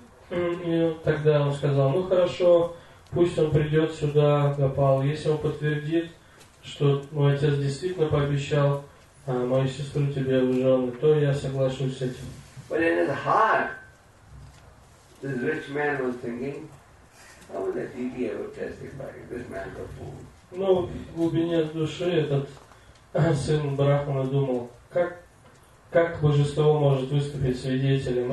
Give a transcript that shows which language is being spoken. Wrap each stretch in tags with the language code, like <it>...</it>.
<ru>И тогда он сказал: "Ну хорошо, пусть он придет сюда, Гопал. Если он подтвердит, что мой отец действительно пообещал мою сестру тебе в жены, то я соглашусь с этим".</ru> <en>But in his heart, this rich man was thinking, "How would that deity ever testify? This man's a fool."</en> <ru>Ну, в глубине души этот сын брахмана думал: Как божество может выступить свидетелем?</ru>